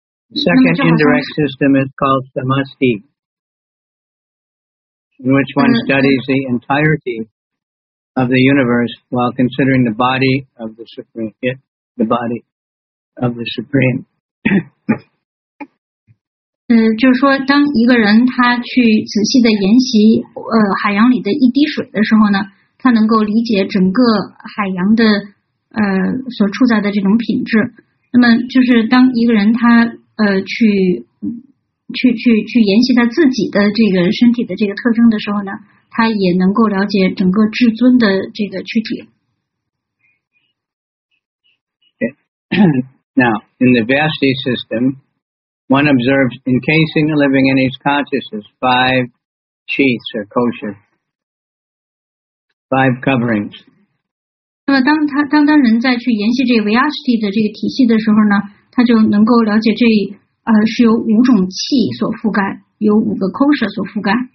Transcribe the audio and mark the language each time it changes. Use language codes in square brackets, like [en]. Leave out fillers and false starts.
[en] The second indirect system is called Samasti, in which one studies the entirety of the universe while considering the body of the Supreme. [zh] 就是说当一个人他去仔细的研习海洋里的一滴水的时候呢，他能够理解整个海洋的所处在的这种品质。那么就是当一个人他去研习他自己的这个身体的这个特征的时候呢，他也能够了解整个至尊的这个躯体。 [en] Okay. Now, in the Vyasti system,One observes encasing the living in his consciousness five sheaths or koshas, five coverings. [zh] 那么当人在去研习这 Vyasti 的这个体系的时候呢，他就能够了解这是由五种气所覆盖，由五个 kosha 所覆盖。